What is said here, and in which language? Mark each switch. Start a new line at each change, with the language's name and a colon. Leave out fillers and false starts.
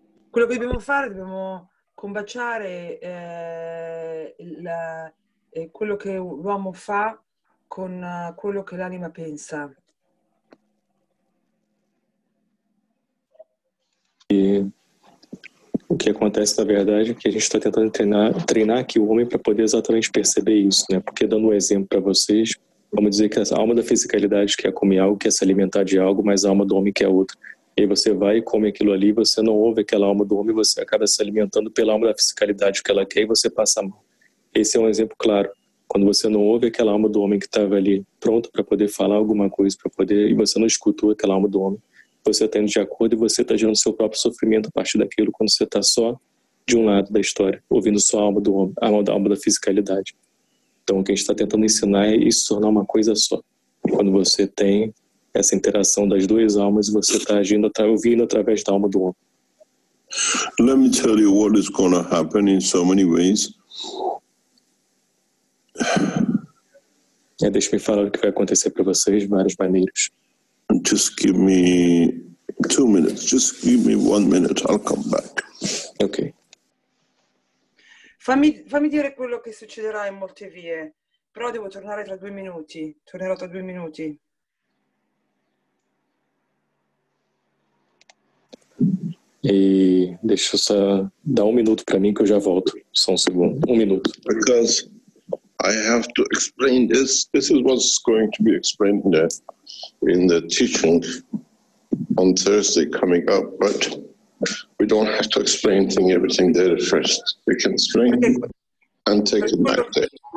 Italian: quello che dobbiamo fare, dobbiamo combaciare quello che l'uomo fa con quello che l'anima pensa.
Portuguese: E o que acontece, na verdade, é que a gente está tentando treinar aqui o homem para poder exatamente perceber isso, né? Porque dando um exemplo para vocês, vamos dizer que a alma da fisicalidade quer comer algo, quer se alimentar de algo, mas a alma do homem quer outro. E aí você vai e come aquilo ali, você não ouve aquela alma do homem, você acaba se alimentando pela alma da fisicalidade que ela quer e você passa mal. Esse é um exemplo claro. Quando você não ouve aquela alma do homem que estava ali pronto para poder falar alguma coisa, para poder, e você não escutou aquela alma do homem, você está indo de acordo e você está gerando seu próprio sofrimento a partir daquilo quando você está só de um lado da história, ouvindo só a alma do homem, a alma da fisicalidade. Então, o que a gente está tentando ensinar é isso, tornar uma coisa só. Quando você tem essa interação das duas almas, você está agindo, está ouvindo através da alma do homem.
English: Let me tell you what is going to happen in so many ways.
Portuguese: Deixa-me falar o que vai acontecer para vocês de várias maneiras.
English: Just give me 2 minutes. Just give me 1 minute. I'll come back. Okay.
Italian: Fammi dire quello che succederà in molte vie. Però devo tornare tra 2 minuti. Tornerò tra 2 minuti.
Portuguese: E deixa só dar 1 minuto para mim que eu já volto. Só 1 segundo. 1 minuto.
English: Because I have to explain this. This is what's going to be explained there. In the teaching on Thursday coming up, but we don't have to explain everything there first. We can explain and take it back there.